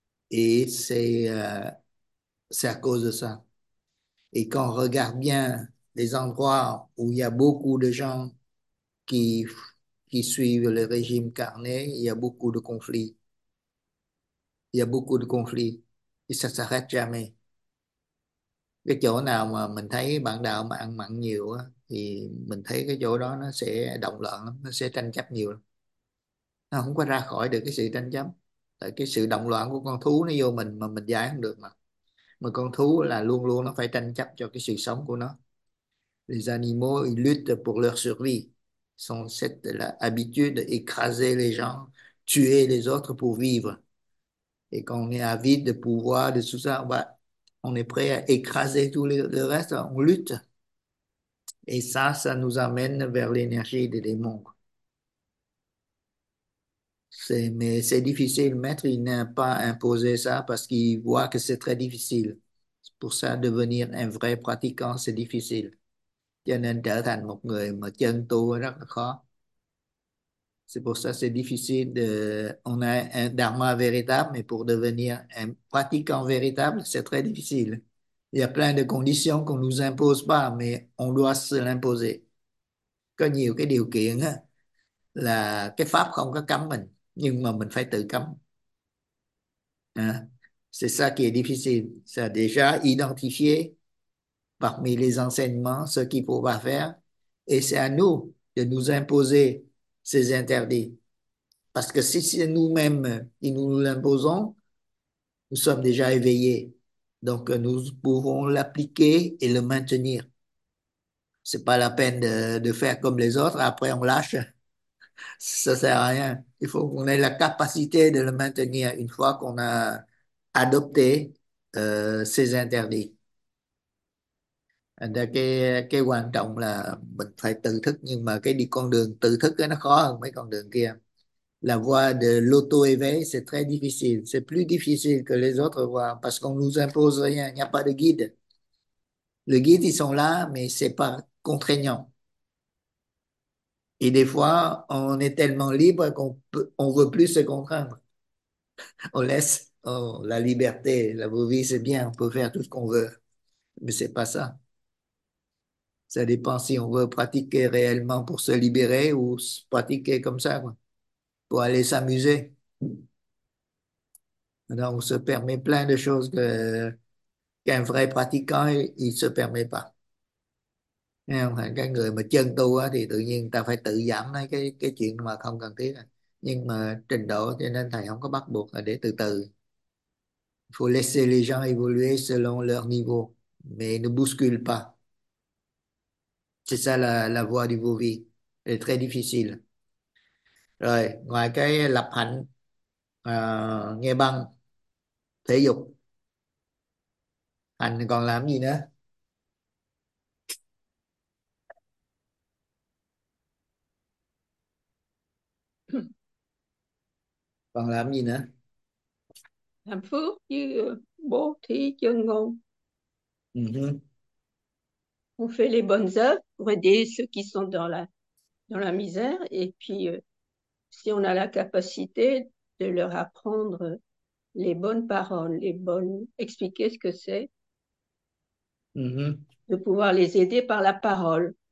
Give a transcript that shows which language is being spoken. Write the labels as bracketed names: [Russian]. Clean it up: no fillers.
[French] Et c'est à cause de ça. Et quand on regarde bien les endroits où il y a beaucoup de gens qui suivent le régime carné, il y a beaucoup de conflits. Il y a beaucoup de conflits. Et ça s'arrête jamais. [Vietnamese] Cái chỗ nào mà mình thấy bạn đạo mà ăn mặn nhiều á, thì mình thấy cái chỗ đó nó sẽ động loạn lắm, nó sẽ tranh chấp nhiều lắm. Nó không có ra khỏi được cái sự tranh chấp. Tại cái sự động loạn của con thú nó vô mình mà mình giải không được mà. Mà con thú là luôn luôn nó phải tranh chấp cho cái sự sống của nó. [French] Les animaux, ils luttent pour leur survie. Sont cette là, habitude d'écraser les gens, tuer les autres pour vivre. Et quand on est avide de pouvoir, de tout ça, bah, on est prêt à écraser tout le reste, on lutte. Et ça nous amène vers l'énergie des démons. Mais c'est difficile, le maître, il n'a pas imposé ça parce qu'il voit que c'est très difficile. Pour ça, devenir un vrai pratiquant, c'est difficile. [Vietnamese] Cho nên trở thành một người mà chân tu rất là khó. [French] C'est pour ça c'est difficile de on a un dharma véritable mais pour devenir un pratiquant véritable c'est très difficile. Il y a plein de conditions qu'on nous impose pas mais on doit se l'imposer. [Vietnamese] Có nhiều cái điều kiện á là cái pháp không có cấm mình nhưng mà mình phải tự cấm. [French] À, c'est ça qui est difficile, ça déjà identifier parmi les enseignements ce qu'il faut pas faire et c'est à nous de nous imposer ces interdits. Parce que si c'est nous-mêmes qui nous l'imposons, nous sommes déjà éveillés. Donc nous pouvons l'appliquer et le maintenir. Ce n'est pas la peine de faire comme les autres, après on lâche. Ça ne sert à rien. Il faut qu'on ait la capacité de le maintenir une fois qu'on a adopté ces interdits. [Vietnamese] Cái quan trọng là mình phải tự thức nhưng mà cái đi con đường tự thức nó khó hơn mấy con đường kia. [French] La voie de l'auto-éveil, c'est très difficile. C'est plus difficile que les autres voies parce qu'on nous impose rien. Il n'y a pas de guide. Le guide, ils sont là, mais c'est pas contraignant. Et des fois, on est tellement libre qu'on veut plus se contraindre. On laisse la liberté. La vie, c'est bien. On peut faire tout ce qu'on veut. Mais c'est pas ça. Ça dépend si on veut pratiquer réellement pour se libérer ou se pratiquer comme ça, quoi. Pour aller s'amuser. On se permet plein de choses qu'un vrai pratiquant, il se permet pas. [Vietnamese] Cái người mà chân tu á, thì tự nhiên ta phải tự giảm lấy cái chuyện mà không cần thiết. Nhưng mà trình độ cho nên thầy không có bắt buộc là để từ từ. [French] Faut laisser les gens évoluer selon leur niveau, mais ne bouscule pas. C'est ça la voie du Vô-vi. Elle est très difficile. [Vietnamese] Rồi, ngoài cái lập hạnh, nghe băng, thể dục, hạnh còn làm gì nữa? Còn làm gì nữa? Làm phước như bố thí chân ngôn. [French] On fait les bonnes œuvres pour aider ceux qui sont dans la misère. Et puis, si on a la capacité de leur apprendre les bonnes paroles, les bonnes, expliquer ce que c'est, de pouvoir les aider par la parole.